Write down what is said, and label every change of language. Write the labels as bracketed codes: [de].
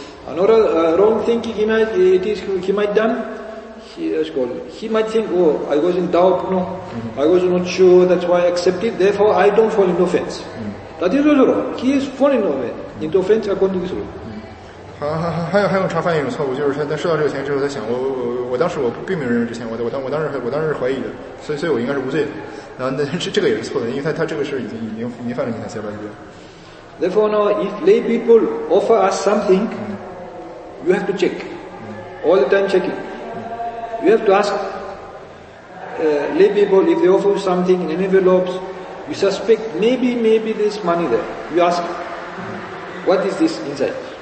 [en] Another wrong thing he might think, oh, I was in doubt, no, I was not sure, that's why I accepted, therefore I don't fall into offense. That is also wrong. He is falling over into offense according to this rule. [zh] 还有还有常犯一种错误，就是他收到这个钱之后，他想我当时我并没有认识这钱，我当时怀疑的，所以我应该是无罪的。然后这个也是错的，因为他这个事已经犯了，你看下半句。 [en] Therefore now, if lay people offer us something, you have to check. All the time checking. You have to ask lay people if they offer something in envelopes. You suspect maybe there's money there. You ask, what is this inside?